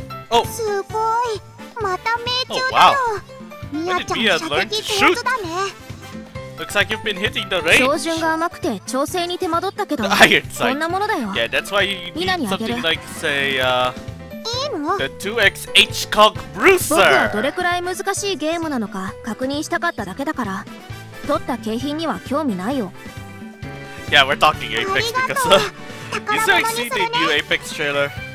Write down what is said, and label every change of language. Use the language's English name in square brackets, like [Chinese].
[English] Oh. [Japanese] すごい。また命中だよ。みやちゃん射撃上手だね。 [English] Looks like you've been hitting the range. [Japanese] 標準が甘くて調整に手間取ったけど。こんなものだよ。 [English] Yeah, that's why you need something like, say, the 2X H Cog Bruiser. [Japanese] 僕はどれくらい難しいゲームなのか確認したかっただけだから。取った景品には興味ないよ。 [English] Yeah, we're talking Apex because you still see the new Apex trailer.